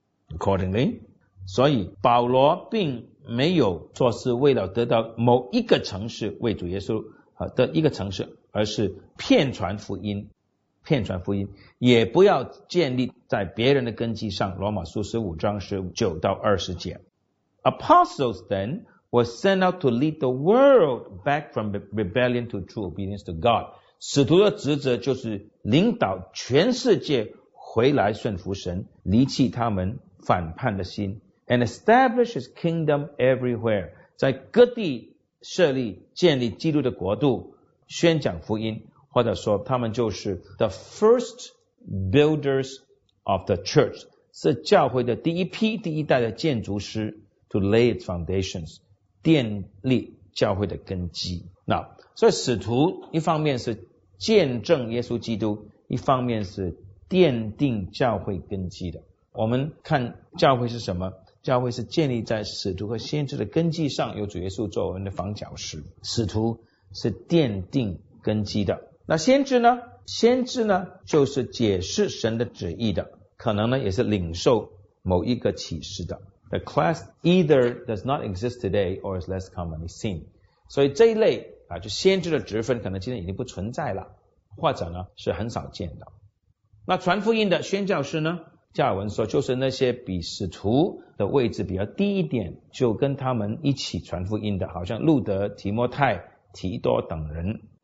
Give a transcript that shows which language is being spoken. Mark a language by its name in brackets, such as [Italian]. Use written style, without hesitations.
[English] Accordingly， [Chinese] 所以保罗并没有做是为了得到某一个城市为主耶稣的一个城市，而是遍传福音，遍传福音，也不要建立在别人的根基上，罗马书15章19到20节。 [English] Apostles then was sent out to lead the world back from rebellion to true obedience to God. [Chinese] 使徒的职责就是领导全世界回来顺服神，离弃他们反叛的心， [English] and establish his kingdom everywhere. [Chinese] 在各地设立建立基督的国度，宣讲福音，或者说他们就是 [English] the first builders of the church， [Chinese] 是教会的第一批第一代的建筑师， [English] to lay its foundations， [Chinese] 奠立教会的根基。那所以使徒一方面是见证耶稣基督，一方面是奠定教会根基的。我们看教会是什么？教会是建立在使徒和先知的根基上，由主耶稣作为我们的房角石。使徒是奠定根基的。那先知呢？先知呢，就是解释神的旨意的，可能呢也是领受某一个启示的。 [English] The class either does not exist today or is less commonly seen. [Chinese] 所以这一类啊，就先知的职分可能今天已经不存在了，或者呢是很少见的。那传福音的宣教师呢，加尔文说就是那些比使徒的位置比较低一点，就跟他们一起传福音的，好像路德、提摩太、提多等人。